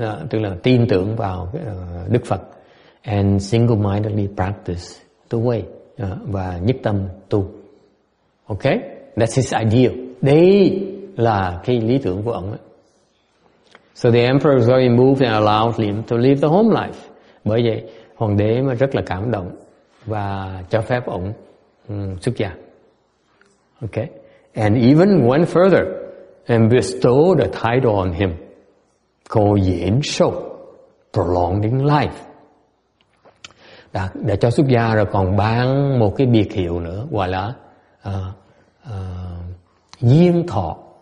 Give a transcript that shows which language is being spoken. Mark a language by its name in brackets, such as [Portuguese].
[Vietnamese] Tức là tin tưởng vào Đức Phật. [English] And single-mindedly practice the way. [Vietnamese] Và nhất tâm tu. [English] Okay? That's his ideal. [Vietnamese] Đây là cái lý tưởng của ông ấy. [English] So the emperor was very moved and allowed him to live the home life. [Vietnamese] Bởi vậy, hoàng đế mà rất là cảm động và cho phép ông xuất gia. [English] Okay? And even went further and bestowed a title on him called Yen Shou, prolonging life. [Vietnamese] Đã cho xuất gia rồi còn ban một cái biệt hiệu nữa gọi là Duyên Thọ.